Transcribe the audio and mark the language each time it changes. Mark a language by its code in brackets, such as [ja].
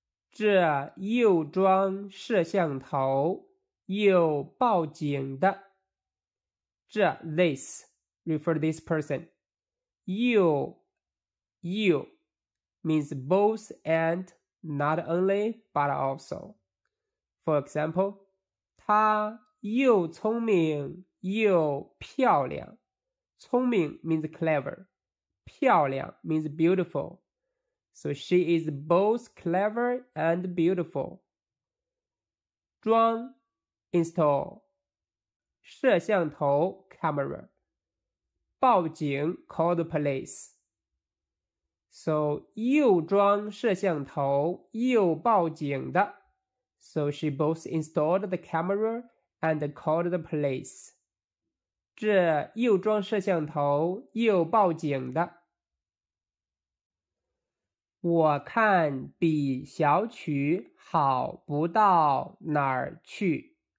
[zh] 这又装摄像头又报警的。 [en] 这 this, refer this person. 又 means both and not only but also. For example, [zh] 她又聪明又漂亮。 [en] 聪明 means clever. 漂亮 means beautiful. So she is both clever and beautiful. 装 install. 摄像头 camera. 报警 call the police. [zh] So 又装摄像头又报警的。 [en] So she both installed the camera and called the police. [zh] 这又装摄像头又报警的。我看比小曲好不到哪儿去。